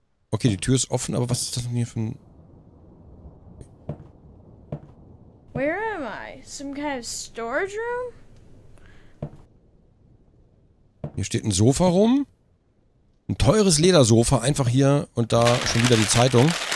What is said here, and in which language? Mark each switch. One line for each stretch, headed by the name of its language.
German: Okay, die Tür ist offen, aber was ist das denn hier für ein...
English: Where am I? Some kind of storage room?
German: Hier steht ein Sofa rum. Ein teures Ledersofa, einfach hier und da schon wieder die Zeitung.